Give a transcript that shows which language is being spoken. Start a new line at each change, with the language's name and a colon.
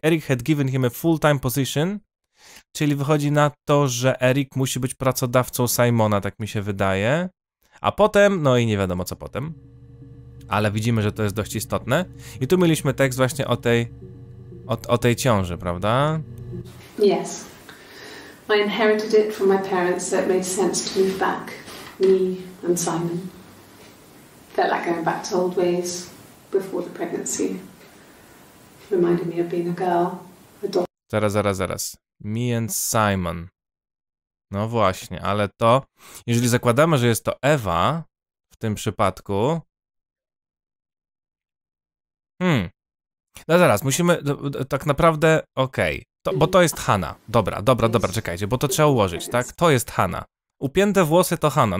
English: Eric had given him a full-time position,
Polish: czyli wychodzi na to, że Eric musi być pracodawcą Simona, tak mi się wydaje. A potem, no i nie wiadomo co potem. Ale widzimy, że to jest dość istotne. I tu mieliśmy tekst właśnie o tej ciąży, prawda?
English: Yes. I inherited it from my parents, so it made sense to move back. Me and Simon. Felt like going back to old ways before the pregnancy. Reminded me of being a girl, a daughter.
Polish: Zaraz.
English: Me and Simon.
Polish: No właśnie, ale to, jeżeli zakładamy, że jest to Ewa w tym przypadku. No zaraz, musimy, tak naprawdę, okej. Okay. Bo to jest Hannah. Dobra, czekajcie, bo to trzeba ułożyć, tak? To jest Hannah. Upięte włosy to Hannah.